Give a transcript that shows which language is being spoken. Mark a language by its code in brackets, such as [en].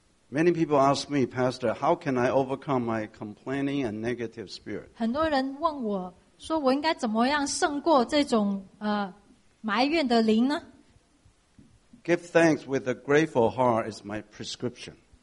[en] Many people ask me, Pastor, how can I overcome my complaining and negative spirit? [zh] 很多人问我说我应该怎么样胜过这种埋怨的灵呢? [en] Give thanks with a grateful heart is my prescription.